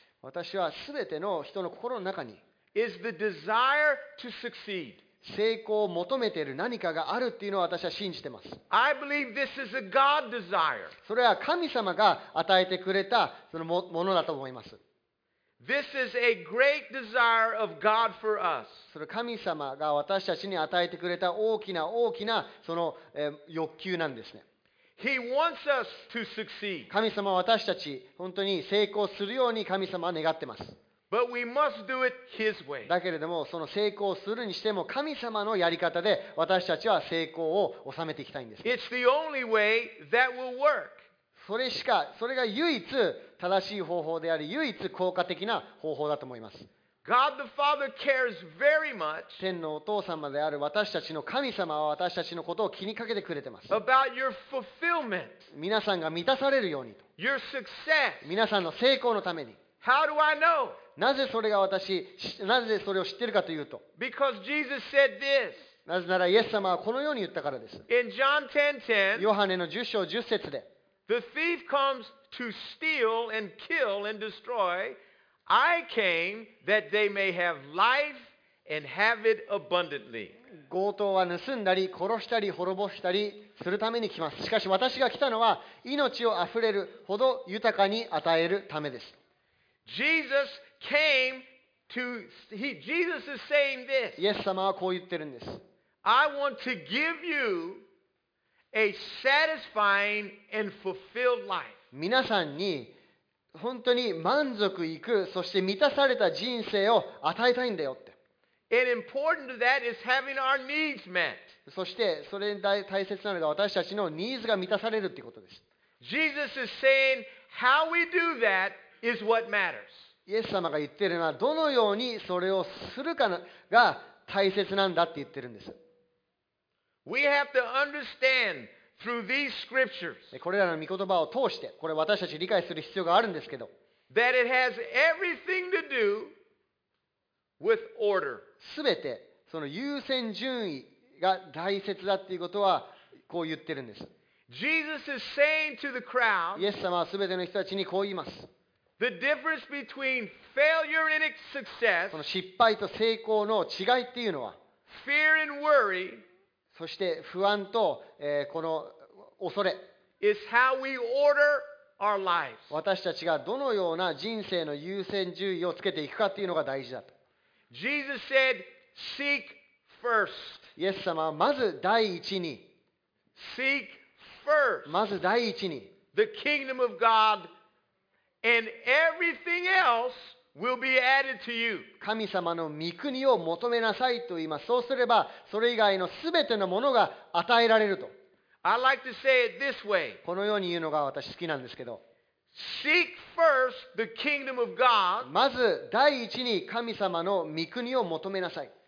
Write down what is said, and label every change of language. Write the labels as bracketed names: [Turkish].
[Japanese] 私はすべての人の心の中に [English] is the desire to succeed. [Japanese] 成功を求めている何かがあるというのを私は信じています。 [English] I believe this is a God desire. [Japanese] それは神様が与えてくれたそのものだと思います。 [English] This is a great desire of God for us. [Japanese] それは神様が私たちに与えてくれた大きな大きなその欲求なんですね。 [English] He wants us to succeed. [Japanese] 神様は私たち本当に成功するように神様は願ってます。 [English] But we must do it His way. [Japanese] だけれどもその成功するにしても神様のやり方で私たちは成功を収めていきたいんです。 [English] It's the only way that will work. [Japanese] それが唯一正しい方法であり唯一効果的な方法だと思います。 [English] God the Father cares very much. [Japanese] 天のお父様である私たちの神様は私たちのことを気にかけてくれてます。 [English] About your fulfillment. [Japanese] 皆さんが満たされるようにと。 [English] Your success. [Japanese] 皆さんの成功のために。 [English] How do I know? [Japanese] なぜそれを知ってるかというと。 [English] Because Jesus said this. [Japanese] なぜならイエス様はこのように言ったからです。 [English] In John 10:10. [Japanese] ヨハネの10章10節で。 [English] The thief comes to steal and kill and destroy. I came that they may have life and have it abundantly. [Japanese] 強盗は盗んだり殺したり滅ぼしたりするために来ます。しかし私が来たのは命をあふれるほど豊かに与えるためです。 [English] Jesus came to Jesus is saying this. [Japanese] イエス様はこう言ってるんです。 [English] I want to give you a satisfying and fulfilled life. [Japanese] 皆さんに本当に満足いく、そして満たされた人生を与えたいんだよって。 [English] And important to that is having our needs met. [Japanese] そしてそれに大切なのが私たちのニーズが満たされるということです。 [English] Jesus is saying how we do that is what matters. [Japanese] イエス様が言ってるのはどのようにそれをするかが大切なんだって言ってるんです。 [English] We have to understand. Through these scriptures, [Japanese] これらの御言葉を通して、これ私たち理解する必要があるんですけど、 [English] that it has everything to do with order. [Japanese] すべてその優先順位が大切だということはこう言ってるんです。 [English] Jesus is saying to the crowd, [Japanese] イエス様はすべての人たちにこう言います。 [English] The difference between failure and success, [Japanese] その失敗と成功の違いっていうのは、 [English] fear and worry. [Japanese] そして不安と、この恐れ [English] is how we order our lives. [Japanese] 私たちがどのような人生の優先順位をつけていくかというのが大事だと。 [English] Jesus said, seek first. [Japanese] イエス様はまず第一に [English] seek first. [Japanese] まず第一に [English] the kingdom of God and everything else will be added to you. [Japanese] 神様の御国を求めなさいと言います。そうすればそれ以外のすべてのものが与えられると。 [English] I like to say it this way. [Japanese] このように言うのが私好きなんですけど。 [English] Seek first the kingdom of God. [Japanese] まず第一に神様の御国を求めなさい。